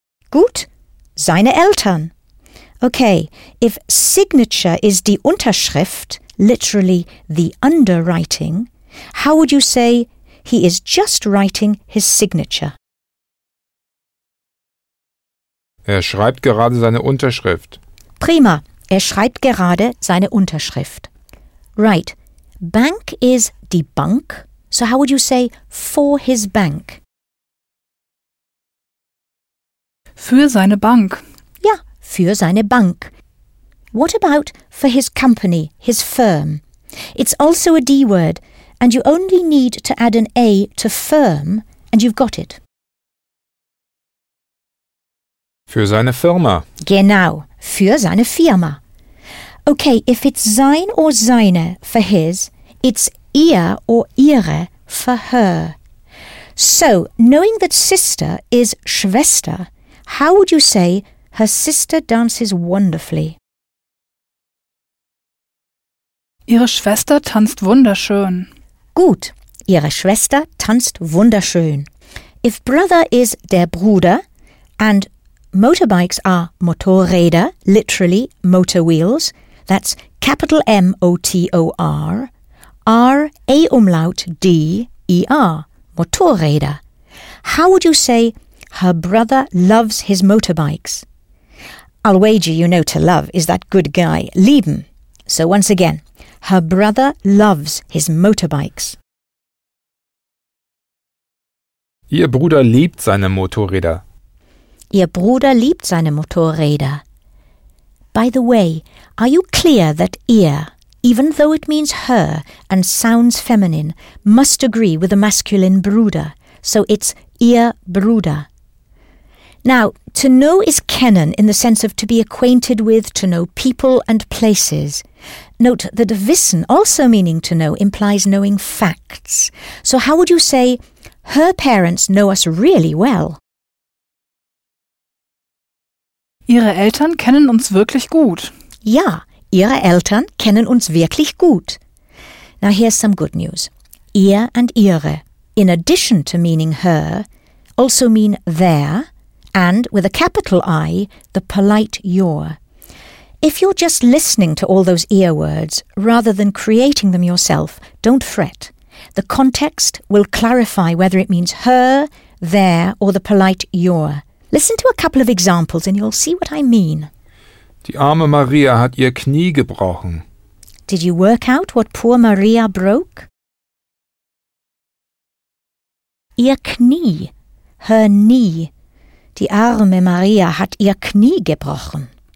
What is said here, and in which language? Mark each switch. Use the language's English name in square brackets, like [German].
[German] Gut. Seine Eltern. [English] Okay, if signature is die Unterschrift, literally the underwriting, how would you say he is just writing his signature? [German] Schreibt gerade seine Unterschrift. Prima. Schreibt gerade seine Unterschrift. [English] Right. Bank is die Bank. So how would you say for his bank? [German] Für seine Bank. Yeah, für seine Bank. [English] What about for his company, his firm? It's also a D word, and you only need to add an A to firm, and you've got it. [German] Für seine Firma. Genau, für seine Firma. [English] Okay, if it's sein or seine for his, it's ihr or ihre for her. So, knowing that sister is Schwester, how would you say her sister dances wonderfully? [German] Ihre Schwester tanzt wunderschön. Gut. Ihre Schwester tanzt wunderschön. [English] If brother is der Bruder and motorbikes are Motorräder, literally motor wheels, that's capital M-O-T-O-R, R-A-Umlaut-D-E-R, Motorräder. How would you say her brother loves his motorbikes? I'll wager you know to love is that good guy, lieben. So once again, her brother loves his motorbikes. [German] Ihr Bruder liebt seine Motorräder. Ihr Bruder liebt seine Motorräder. [English] By the way, are you clear that ihr, even though it means her and sounds feminine, must agree with the masculine Bruder? So it's ihr Bruder. Now, to know is kennen in the sense of to be acquainted with, to know people and places. Note that wissen, also meaning to know, implies knowing facts. So how would you say, her parents know us really well? [German] Ihre Eltern kennen uns wirklich gut. Ja, ihre Eltern kennen uns wirklich gut. [English] Now here's some good news. Ihr and ihre, in addition to meaning her, also mean their. And, with a capital I, the polite your. If you're just listening to all those ear words, rather than creating them yourself, don't fret. The context will clarify whether it means her, their, or the polite your. Listen to a couple of examples and you'll see what I mean. [German] Die arme Maria hat ihr Knie gebrochen. [English] Did you work out what poor Maria broke? [German] Ihr Knie. [English] Her knee. [German] Die arme Maria hat ihr Knie gebrochen.